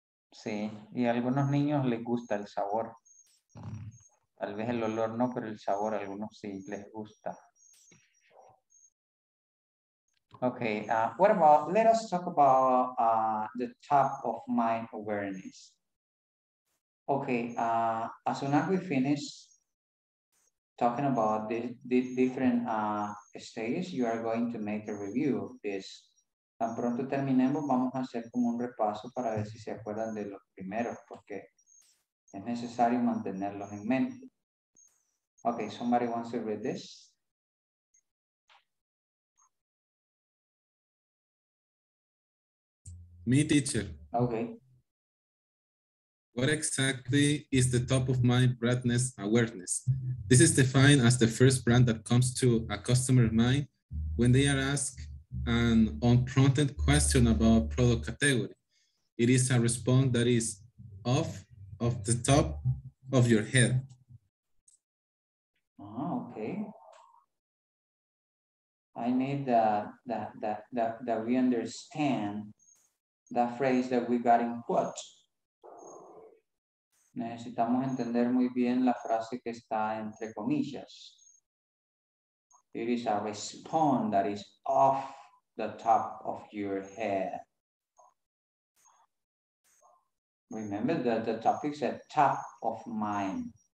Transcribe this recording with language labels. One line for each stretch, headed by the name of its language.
Spanish: Sí, y a algunos niños les gusta el sabor. Tal vez el olor no, pero el sabor a algunos sí les gusta.
English: Ok, let us talk about the top of mind awareness. Ok, as soon as we finish talking about the different stages, you are going to make a review of this.
Spanish: Tan pronto terminemos, vamos a hacer como un repaso para ver si se acuerdan de los primeros, porque es necesario mantenerlos en mente.
English: Okay, somebody wants to read this.
Spanish: Me, teacher.
English: Okay. What exactly is the top of mind brandness awareness? This is defined as the first brand that comes to a customer's mind when they are asked an unprompted question about product category. It is a response that is off the top of your head. Okay. I need that we understand that phrase that we got in quotes.
Spanish: Necesitamos entender muy bien la frase que está entre comillas.
English: It is a response that is off the top of your head. Remember that the topic said top of mind.